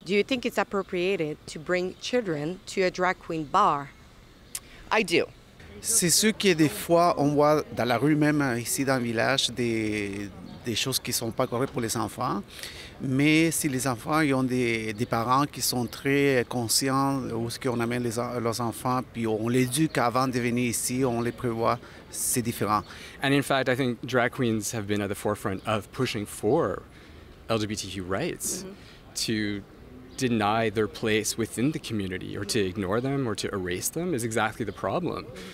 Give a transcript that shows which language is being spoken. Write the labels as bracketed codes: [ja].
[en] Do you think it's appropriate to bring children to a drag queen bar? I do. [fr] C'est sûr que des fois, on voit dans la rue même, ici dans le village, des choses qui ne sont pas correctes pour les enfants. Mais si les enfants ils ont des parents qui sont très conscients où est-ce qu'on amène leurs enfants, puis on l'éduque avant de venir ici, on les prévoit, c'est différent. [en] And in fact, I think drag queens have been at the forefront of pushing for LGBTQ rights, mm-hmm. to deny their place within the community, or to ignore them, or to erase them, is exactly the problem.